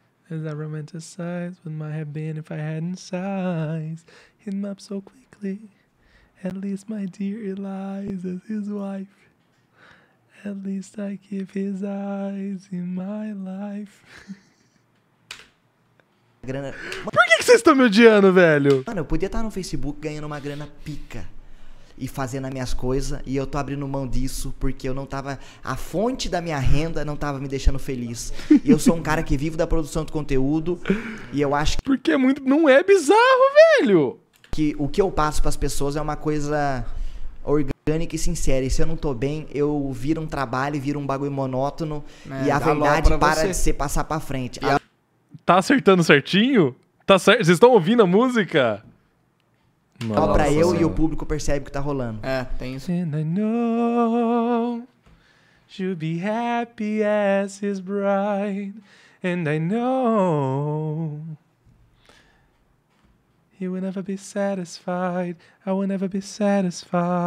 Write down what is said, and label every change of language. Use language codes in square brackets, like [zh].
[en] As I romanticize what might have been if I hadn't sized him up so quickly. At least my dear Eliza's his wife. At least I keep his eyes in my life. [pt] Grana. Por que vocês estão me odiando, velho? Mano, eu podia estar no Facebook ganhando uma grana pica. e fazendo as minhas coisas, e eu tô abrindo mão disso porque eu não tava, a fonte da minha renda não tava me deixando feliz. E eu sou um cara que vivo da produção de conteúdo, e eu acho que... Porque é muito, não é bizarro, velho? Que o que eu passo pras pessoas é uma coisa orgânica e sincera, e se eu não tô bem, eu viro um trabalho, viro um bagulho monótono, é, e a verdade para você. De ser passar pra frente. A... Tá acertando certinho? Tá certo? Vocês estão ouvindo a música? Só pra eu e o público percebe o que tá rolando. É, tem isso. [en] And I know she'll be happy as his bride. And I know he will never be satisfied. I will never be satisfied.